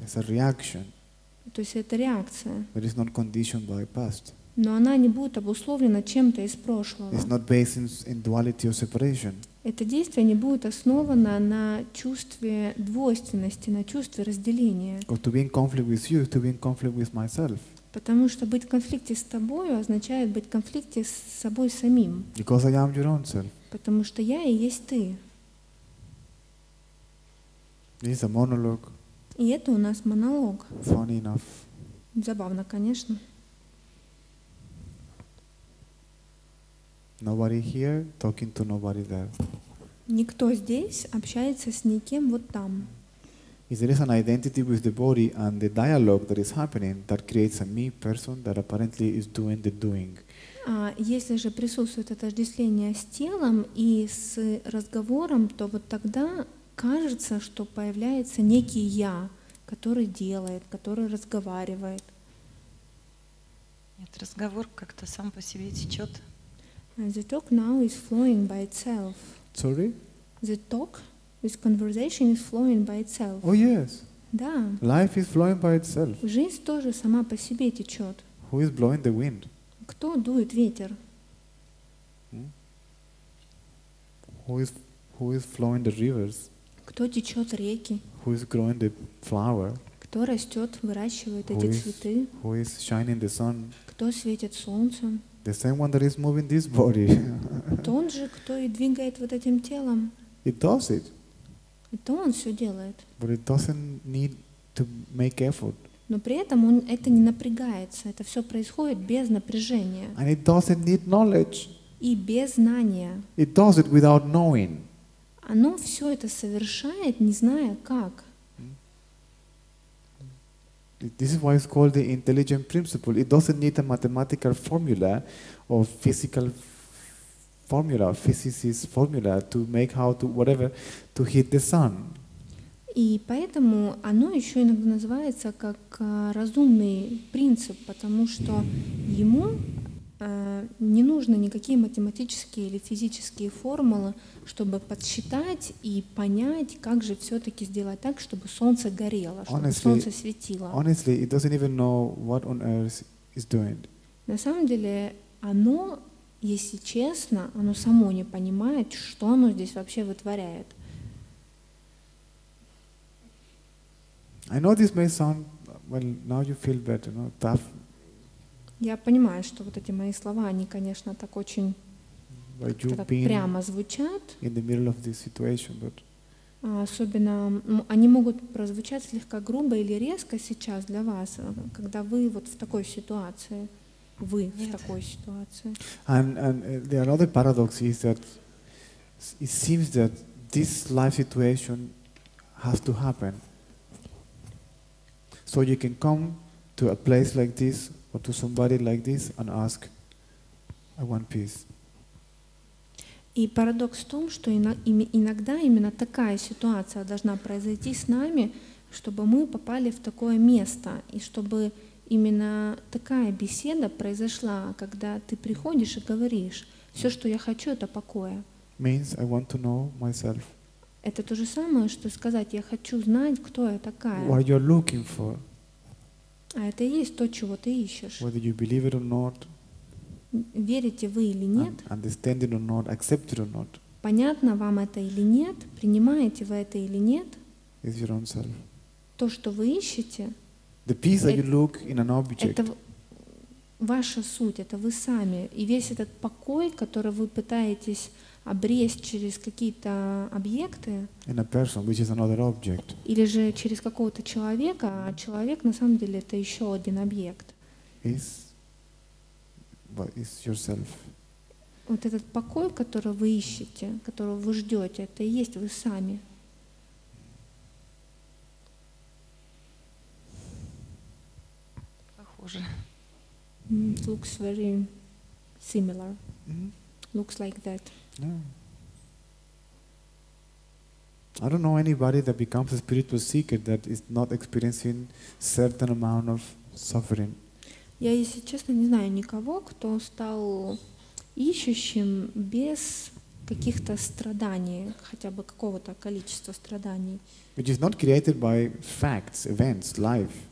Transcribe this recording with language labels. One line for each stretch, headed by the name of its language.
English: It's a reaction.
Russian: То есть это реакция.
English: But it's not conditioned by past.
Russian: Но она не будет обусловлена чем-то из прошлого.
English: It's not based in duality or separation.
Russian: Это действие не будет основано на чувстве двойственности, на чувстве разделения.
English: To be in conflict with you, to be in conflict with myself.
Russian: Потому что быть в конфликте с тобою означает быть в конфликте с собой самим.
English: Because I am your own self.
Russian: Потому что я и есть ты.
English: This is a monologue.
Russian: И это у нас монолог.
English: Funny enough.
Russian: Забавно, конечно.
English: Nobody here talking to nobody there.
Russian: Никто здесь общается с никем вот там.
English: Is there an identity with the body and the dialogue that is happening that creates a me person that apparently is doing the doing?
Russian: Если же присутствует отождествление с телом и с разговором, то вот тогда кажется, что появляется некий я, который делает, который разговаривает. Нет, разговор как-то сам по себе течет.
English: And the talk now is flowing by itself. Sorry? The talk, this conversation is flowing by itself. Oh yes.
Russian: Да.
English: Life is flowing by itself.
Russian: Жизнь тоже сама по себе течет.
English: Who is blowing the wind?
Russian: Кто дует ветер?
English: Who is flowing the rivers?
Russian: Кто течет реки?
English: Who is growing the flower?
Russian: Кто растет, выращивает эти цветы?
English: Who is shining the sun?
Russian: Кто светит солнцем?
English: The same one that is moving this body.
Russian: Тот же, кто и двигает вот этим телом.
English: It does it.
Russian: Это он все делает.
English: But it doesn't need to make effort.
Russian: Но при этом он это не напрягается. Это все происходит без напряжения.
English: And it doesn't need knowledge.
Russian: И без знания.
English: It does it without knowing.
Russian: Оно все это совершает, не зная как.
English: This is why it's called the intelligent principle. It doesn't need a mathematical formula or physical formula, physicist's formula to make how to whatever to hit the sun.
Russian: И поэтому оно еще иногда называется как разумный принцип, потому что ему не нужны никакие математические или физические формулы, чтобы подсчитать и понять, как же все-таки сделать так, чтобы солнце горело, чтобы
English: honestly,
Russian: солнце светило.
English: Honestly, it doesn't even know what on earth is doing.
Russian: На самом деле, оно, если честно, оно само не понимает, что оно здесь вообще вытворяет.
English: I know this may sound, well, now you feel better, no, tough.
Russian: Я понимаю, что вот эти мои слова, они, конечно, так очень прямо звучат.
English: In the middle of this situation, but...
Russian: Особенно они могут прозвучать слегка грубо или резко сейчас для вас, когда вы вот в такой ситуации. Вы Нет. в такой ситуации.
English: And the other paradox is that it seems that this life situation has to happen. So you can come to a place like this or to somebody like this and ask, I want peace.
Russian: И парадокс в том, что иногда именно такая ситуация должна произойти с нами, чтобы мы попали в такое место, и чтобы именно такая беседа произошла, когда ты приходишь и говоришь, все, что я хочу, это покоя.
English: Means I want to know myself.
Russian: Это то же самое, что сказать, я хочу знать, кто я такая.
English: What you're looking for.
Russian: А это и есть то, чего ты ищешь.
English: Whether you believe it or not,
Russian: верите вы или нет,
English: understand it or not, accept it or not,
Russian: понятно вам это или нет, принимаете вы это или нет,
English: is your own self.
Russian: То, что вы ищете,
English: the piece that you look in an object.
Russian: Это ваша суть, это вы сами. И весь этот покой, который вы пытаетесь обрезть через какие-то объекты,
English: in a person, which is another object.
Russian: Или же через какого-то человека, а человек на самом деле это еще один объект.
English: Is yourself.
Russian: Вот этот покой, который вы ищете, которого вы ждете, это и есть вы сами. Похоже.
English: It looks very similar. Mm-hmm. Looks like that. Yeah. I don't know anybody that becomes a spiritual seeker that is not experiencing certain amount of suffering.
Russian: Я, если честно, не знаю никого, кто стал ищущим без каких-то страданий, хотя бы какого-то количества страданий.
English: Which is not created by facts, events, life.